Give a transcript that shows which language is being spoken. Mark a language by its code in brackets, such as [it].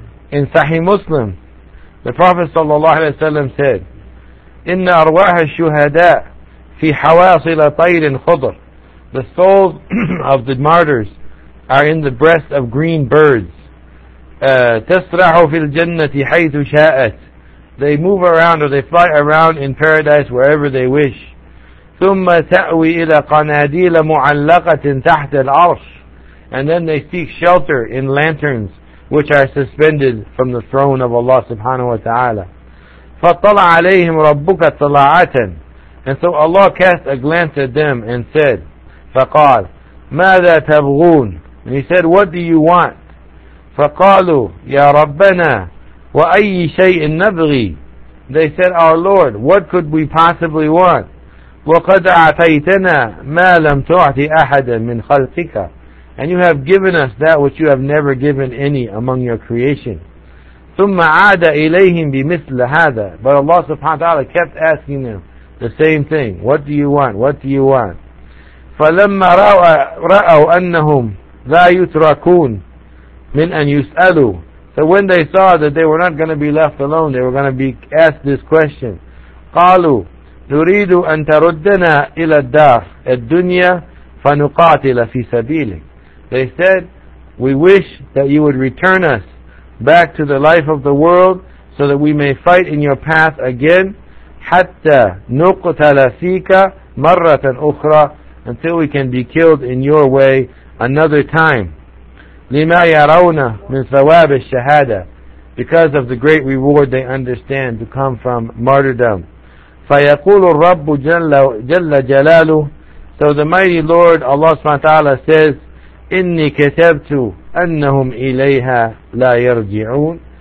[en] In Sahih Muslim, the Prophet ﷺ said, [ar] "Inna arwah al-shuhada fi hawasil tayrin khudr." [en] The souls of the martyrs are in the breast of green birds. [ar] Tasrahu fil jannati haythu sha'at. [en] They move around or they fly around in paradise wherever they wish. [ar] ثم تأوي إلى قناديل معلقة تحت العرش. [en] And then they seek shelter in lanterns which are suspended from the throne of Allah subhanahu wa ta'ala. [ar] فطلع عليهم ربك طلاعة. [en] And so Allah cast a glance at them and said, [ar] فقال ماذا تبغون. [en] And he said, what do you want? [ar] فقالوا يا ربنا وأي شيء نبغي. [en] They said, our Lord, what could we possibly want? [ar] وَقَدْ أَعْتَيْتَنَا مَا لَمْ تُعْتِ أَحَدًا مِنْ خَلْقِكَ. [en] And you have given us that which you have never given any among your creation. [ar] ثُمَّ عَادَ إِلَيْهِمْ بِمِثْلَ هَذَا. [en] But Allah subhanahu wa ta'ala kept asking them the same thing. What do you want? [ar] What do you want? فَلَمَّ رَأَوْا أَنَّهُمْ لَا يُتْرَكُونَ مِنْ أَنْ يُسْأَلُوا. [en] So when they saw that they were not going to be left alone, they were going to be asked this question. [ar] قَالُوا نريد أن تردنا إلى الدار الدنيا فنقاتل في سبيلك. [en] They said, we wish that you would return us back to the life of the world so that we may fight in your path again. [ar] حتى نقتل فيك مرة أخرى. [en] Until we can be killed in your way another time. [ar] لما يرون من ثواب الشهادة. [en] Because of the great reward they understand to come from martyrdom. [ar] فيقول الرب جل جلاله. [en] So the mighty Lord Allah subhanahu wa ta'ala says, [ar] إني كتبت أنهم إليها لا يرجعون.